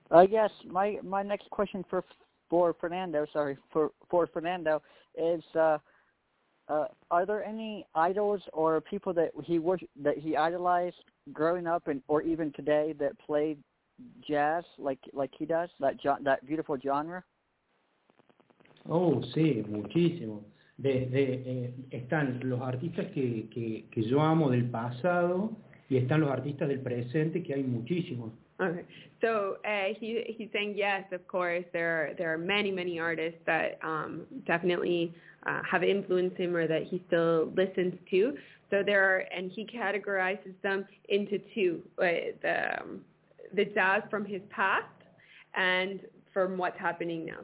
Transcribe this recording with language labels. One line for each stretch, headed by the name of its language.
English: Yes, my next question for Fernando is, Are there any idols or people that he idolized growing up and or even today that played jazz like he does, that beautiful genre?
Spanish: Oh, sí, muchísimo. Están los artistas que yo amo del pasado y están los artistas del presente, que hay muchísimos.
English: Okay, so he's saying yes, of course, there are many, many artists that definitely have influenced him or that he still listens to. So there are, and he categorizes them into two, the jazz from his past and from what's happening now.